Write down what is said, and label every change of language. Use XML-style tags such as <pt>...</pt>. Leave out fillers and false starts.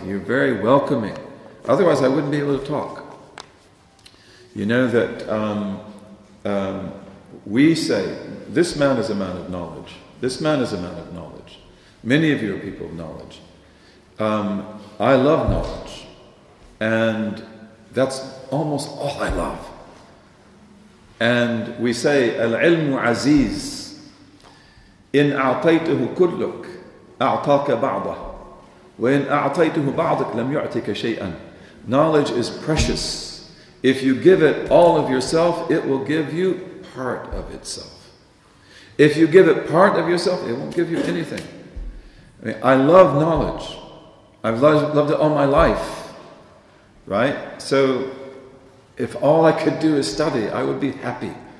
<en>You're very welcoming. Otherwise, I wouldn't be able to talk. You know that we say, this man is a man of knowledge. This man is a man of knowledge. Many of you are people of knowledge. I love knowledge. And that's almost all I love. And we say,</en> <ar>al-ilmu aziz. إن أعطيته كلك أعطاك بعضه وإن أعطيته بعضك لم يعطك شيئا.</ar> <en>Knowledge is precious. If you give it all of yourself, it will give you part of itself. If you give it part of yourself, it won't give you anything. I mean, I love knowledge. I've loved it all my life. Right? So, if all I could do is study, I would be happy.</en>